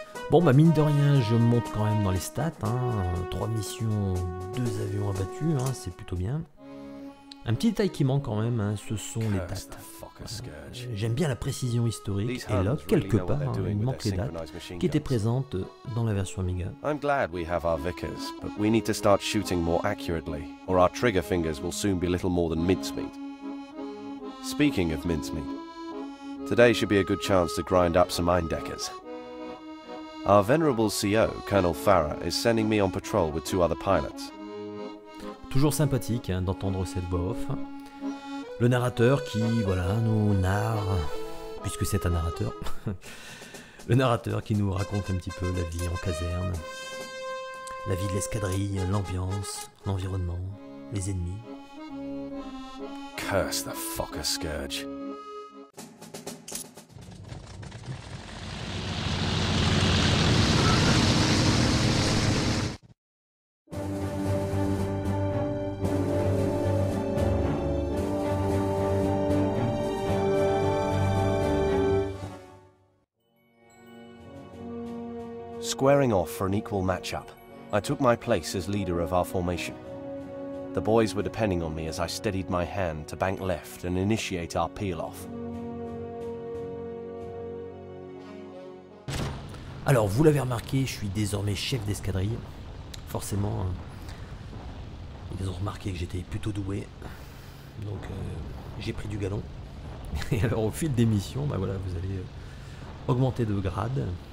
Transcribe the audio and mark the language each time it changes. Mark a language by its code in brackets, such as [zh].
[fr] Bon bah mine de rien je monte quand même dans les stats, hein. 3 missions, 2 avions abattus, hein, c'est plutôt bien. Un petit détail qui manque quand même, hein, ce sont les dates. J'aime bien la précision historique et là, quelque part, hein, il manque les dates qui étaient présentes dans la version Amiga. [en] I'm glad we have our Vickers, but we need to start shooting more accurately, or our trigger fingers will soon be little more than mincemeat. Speaking of mincemeat, today should be a good chance to grind up some Eindeckers. Our venerable CO, Colonel Farah, is sending me on patrol with two other pilots. [fr] Toujours sympathique hein, d'entendre cette voix off. Le narrateur qui, voilà, nous narre, puisque c'est un narrateur. Le narrateur qui nous raconte un petit peu la vie en caserne. La vie de l'escadrille, l'ambiance, l'environnement, les ennemis. [en] Curse the fucker scourge. Squaring off for an equal matchup, I took my place as leader of our formation. The boys were depending on me as I steadied my hand to bank left and initiate our peel off. [fr] Alors, vous l'avez remarqué, je suis désormais chef d'escadrille. Forcément, ils ont remarqué que j'étais plutôt doué. Donc, j'ai pris du galon. Et alors, au fil des missions, bah voilà, vous allez augmenter de grade.